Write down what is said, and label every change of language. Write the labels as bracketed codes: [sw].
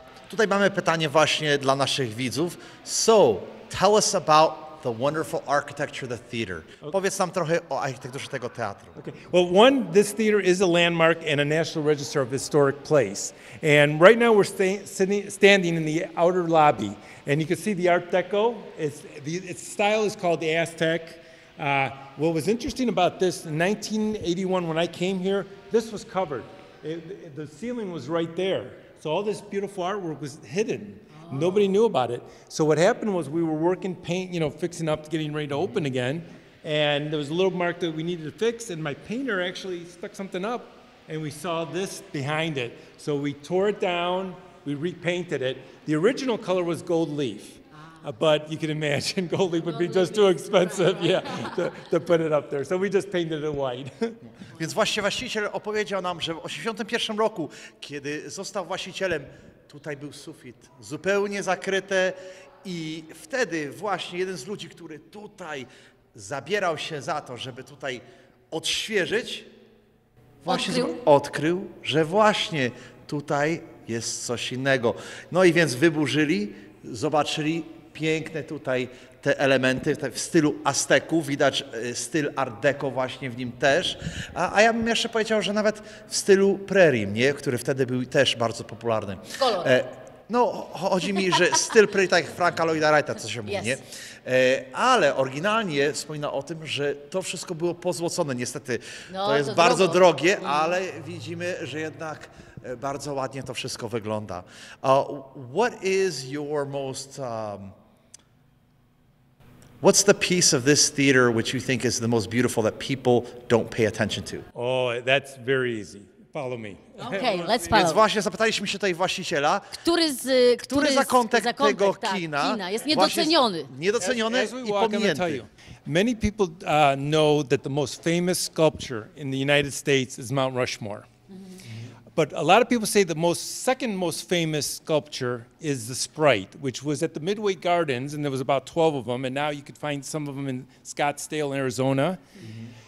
[pl] Tutaj mamy pytanie właśnie dla naszych widzów. [en] So, tell us about the wonderful architecture of the theater. Okay. [pl] Powiedz nam trochę o architekturze tego teatru. [en] Okay. Well, one, this theater is a landmark and a National Register of Historic Place. And right now we're standing in the outer lobby. And you can see the Art Deco. Its style is called the Aztec. What was interesting about this, in 1981 when I came here, this was covered. The ceiling was right there. So all this beautiful artwork was hidden. Oh. Nobody knew about it. So what happened was we were working paint, you know, fixing up, getting ready to open again. And there was a little mark that we needed to fix. And my painter actually stuck something up. And we saw this behind it. So we tore it down. We repainted it. The original color was gold leaf. But you can imagine gold leaf would be just too expensive, yeah, to put it up there. So we just painted it white. [pl] Więc właśnie właściciel opowiedział nam, że w 81 roku, kiedy został właścicielem, tutaj był sufit zupełnie zakryty i wtedy właśnie jeden z ludzi, który tutaj zabierał się za to, żeby tutaj odświeżyć, właśnie odkrył, że właśnie tutaj jest coś innego. No i więc wyburzyli, zobaczyli piękne tutaj te elementy w stylu Azteku, widać styl Art Deco właśnie w nim też, a ja bym jeszcze powiedział, że nawet w stylu Prairie, nie? Który wtedy był też bardzo popularny. No, chodzi mi, że styl Prairie, tak jak Franka Lloyda Wrighta, co się mówi, [en] yes. [pl] Nie? Ale oryginalnie wspomina o tym, że to wszystko było pozłocone, niestety. No, to jest to bardzo drogo. Drogie, ale widzimy, że jednak bardzo ładnie to wszystko wygląda. [en] What is your most... What's the piece of this theater which you think is the most beautiful that people don't pay attention to? Oh, that's very easy. Follow me. Okay, let's follow. [pl] Więc właśnie zapytaliśmy się tutaj właściciela, który zakątek tego kina jest niedoceniony. Niedoceniony i pominięty. [en] Many people know that the most famous sculpture in the United States is Mount Rushmore. But a lot of people say the second most famous sculpture is the Sprite, which was at the Midway Gardens, and there was about 12 of them, and now you could find some of them in Scottsdale, Arizona. Mm-hmm.